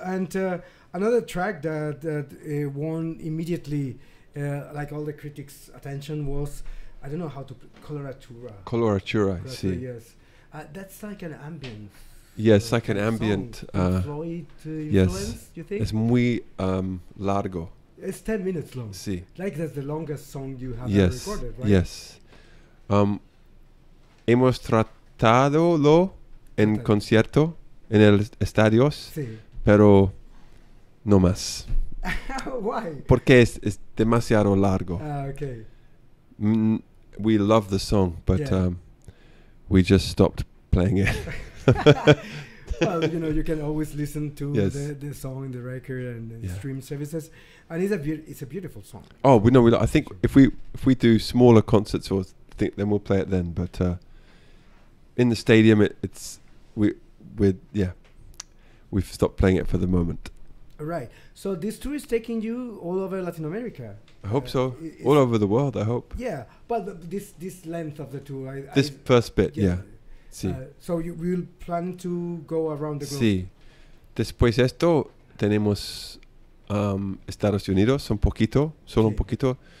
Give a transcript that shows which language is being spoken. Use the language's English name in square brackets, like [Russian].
[English] And another track that won immediately like all the critics' attention was, I don't know how to Coloratura. Coloratura, I see. Yes. That's like an ambient. Yeah, it's like an ambient. Influence, you think? It's [Spanish] muy largo. [English] It's 10 minutes long. [Spanish] Sí. [English] Like that's the longest song you have ever recorded, right? Yes. [Spanish] Hemos tratado lo en concierto, en el estadios, sí. Pero no más. [English] Why? [Spanish] Porque es demasiado largo. [English] Ah, okay. We love the song, but yeah. We just stopped playing it. Well, you know, you can always listen to yes. the song, the record, and the yeah. stream services, and it's a beautiful song. Oh, we know. I think if we do smaller concerts, or think then we'll play it then. But in the stadium, we've stopped playing it for the moment. Right. So this tour is taking you all over Latin America. I hope so. All over the world, I hope. Yeah, but this length of the tour. This first bit. [Spanish] Sí. [English] So you will plan to go around the globe. [Spanish] Sí. Después esto tenemos Estados Unidos un poquito, solo sí. un poquito.